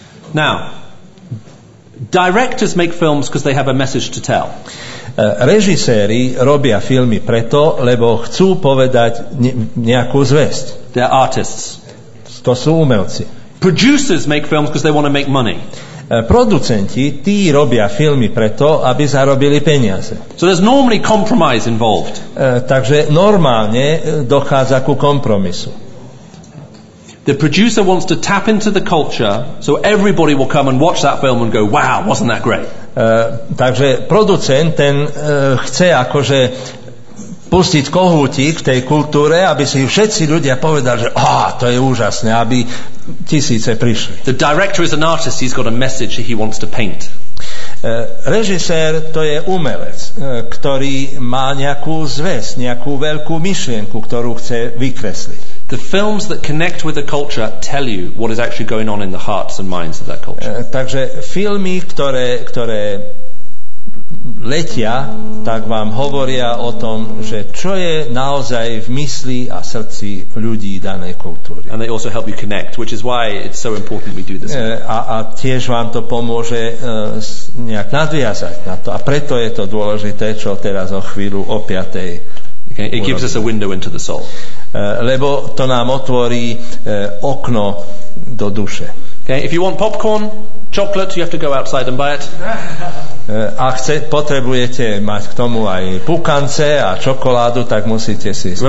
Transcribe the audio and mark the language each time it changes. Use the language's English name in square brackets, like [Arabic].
[English] Now, directors make films because they have a message to tell. [Slovak] Režiséri robia filmy preto, lebo chcú povedať nejakú zvesť. [English] They're artists. [Slovak] To sú umelci. [English] Producers make films because they want to make money. [Slovak] Producenti, tí robia filmy preto, aby zarobili peniaze. [English] So there's normally compromise involved. [Slovak] Takže normálne dochádza ku kompromisu. [English] The producer wants to tap into the culture so everybody will come and watch that film and go, wow, wasn't that great? [Slovak] Takže producent ten chce akože pustiť kohútik v tej kultúre, aby si všetci ľudia povedali, že to je úžasné, aby tisíce prišli. [English] The director is an artist, he's got a message he wants to paint. [Slovak] Režisér to je umelec, ktorý má nejakú zvesť, nejakú veľkú myšlienku, ktorú chce vykresliť. [English] The films that connect with the culture tell you what is actually going on in the hearts and minds of that culture. [Slovak] Takže filmy, ktoré letia, tak vám hovoria o tom, že čo je naozaj v mysli a srdci ľudí danej kultúry. [English] And they also help you connect, which is why it's so important we do this. [Slovak] A tiež vám to pomôže nejak nadviazať na to. A preto je to dôležité, čo teraz o chvíľu o 5:00. [English] Okay, it gives us a window into the soul. [Slovak] Lebo to nám otvorí okno do duše. [English] Okay, if you want popcorn, chocolate, you have to go outside and buy it. [Slovak] Potrebujete mať k tomu aj pukance a čokoládu, tak musíte si skúpiť.